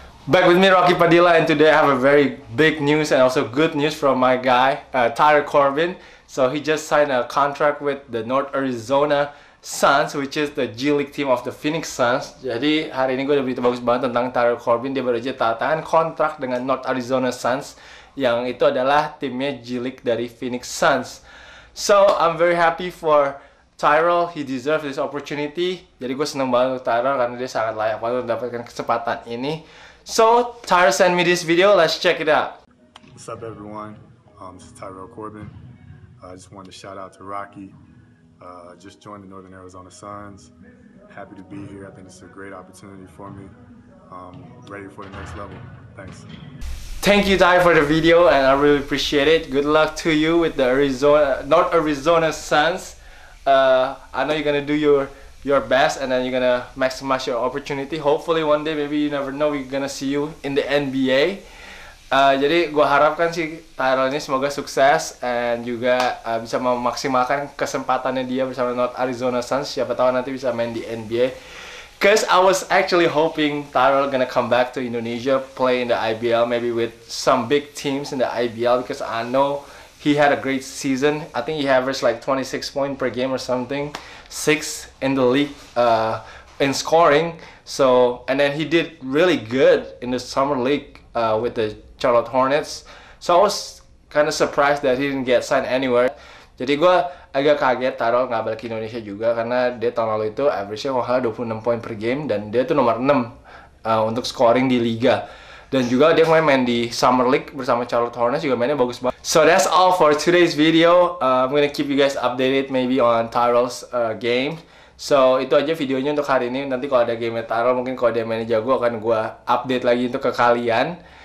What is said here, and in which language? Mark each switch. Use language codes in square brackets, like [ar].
[en] Back with me, Rocky Padilla, and today I have a very big news and also good news from my guy, Tyrell Corbin. So he just signed a contract with the North Arizona Suns, which is the G League team of the Phoenix Suns. [id] Jadi hari ini gue udah berita bagus banget tentang Tyrell Corbin. Dia baru aja tanda tangan kontrak dengan North Arizona Suns, yang itu adalah timnya G League dari Phoenix Suns. [en] So I'm very happy for Tyrell. He deserves this opportunity. [id] Jadi gue seneng banget untuk Tyrell karena dia sangat layak untuk mendapatkan kesempatan ini. [en] So Tyrell sent me this video. Let's check it out. What's up, everyone? This is Tyrell Corbin. I just wanted to shout out to Rocky. Just joined the Northern Arizona Suns. Happy to be here. I think it's a great opportunity for me. Ready for the next level. Thanks. Thank you, Ty, for the video, and I really appreciate it. Good luck to you with the North Arizona Suns. I know you're gonna do your best, and then you're gonna maximize your opportunity. Hopefully one day, maybe you never know, we're gonna see you in the NBA. [id] Jadi gua harapkan sih Tyrell ini semoga sukses and juga bisa memaksimalkan kesempatannya dia bersama North Arizona Suns. Siapa tahu nanti bisa main di NBA. [en] Cause I was actually hoping Tyrell gonna come back to Indonesia, play in the IBL, maybe with some big teams in the IBL, because I know he had a great season. I think he averaged like 26 points per game or something. 6 in the league in scoring. So, and then he did really good in the summer league with the Charlotte Hornets. So I was kind of surprised that he didn't get signed anywhere. [id] Jadi gue agak kaget Tyrell gak balik ke Indonesia juga, karena dia tahun lalu itu average-nya kalau gak salah 26 poin per game, dan dia tuh nomor 6 untuk scoring di Liga. Dan juga dia main di Summer League bersama Charlotte Hornets, juga mainnya bagus banget. [en] So that's all for today's video. I'm gonna keep you guys updated maybe on Tyrell's game. [id] So itu aja videonya untuk hari ini. Nanti kalau ada game-nya Tyrell, mungkin kalau dia mainnya jago akan gue update lagi untuk ke kalian.